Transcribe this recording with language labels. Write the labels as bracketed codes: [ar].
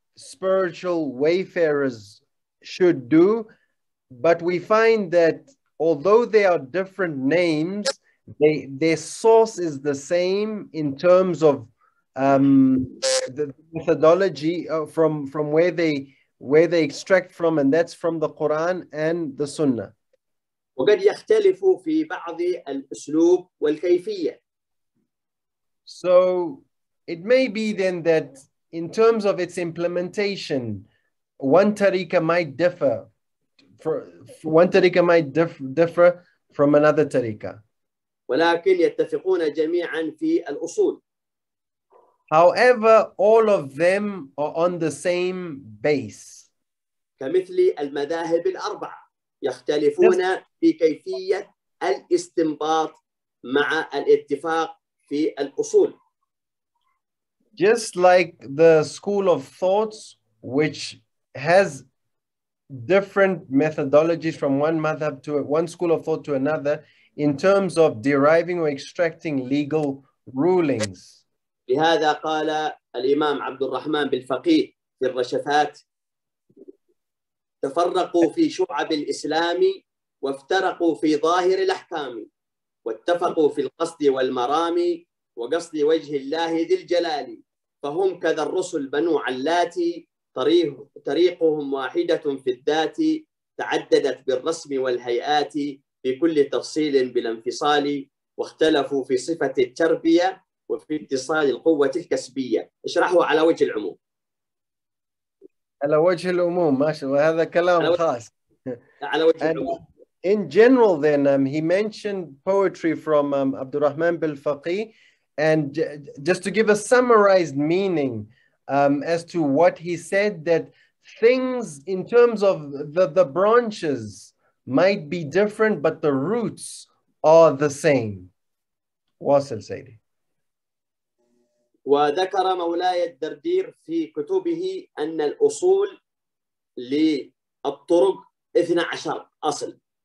[en] spiritual wayfarers should do, but we find that although they are different names, their source is the same in terms of the methodology from where they extract from, and that's from the Quran and the Sunnah. [ar] وقد يختلفوا في بعض الأسلوب والكيفية. [en] So it may be then that in terms of its implementation, one tariqa might differ. One tariqa might differ from another tariqa. [ar] ولكن يتفقون جميعا في الأصول. [en] However, all of them are on the same base. [ar] كمثل المذاهب الأربعة يختلفون في كيفية الاستنباط مع الاتفاق في الأصول. [en] Just like the school of thoughts, which has different methodologies from one madhab to one school of thought to another in terms of deriving or extracting legal rulings. [ar] لهذا قال الإمام عبد الرحمن بالفقيه في الرشفات تفرقوا في شعب الإسلام وافترقوا في ظاهر الأحكام واتفقوا في القصد والمرام وقصد وجه الله ذي الجلال فهم كذا الرسل بنو علاتي طريقهم واحدة في الذات تعددت بالرسم والهيئات بكل تفصيل بالانفصال واختلفوا في صفة التربية وفي اتصال القوة الكسبية اشرحوا على وجه العموم على وجه العموم هذا كلام خاص على وجه العموم. [en] In general then he mentioned poetry from Abd al-Rahman bil-Faqih, and just to give a summarized meaning as to what he said, that things in terms of the branches might be different, but the roots are the same. [ar] Wasil Sayyidi. وذكر مولاي الدردير في كتبه أن الأصول للطرق 12 أصل.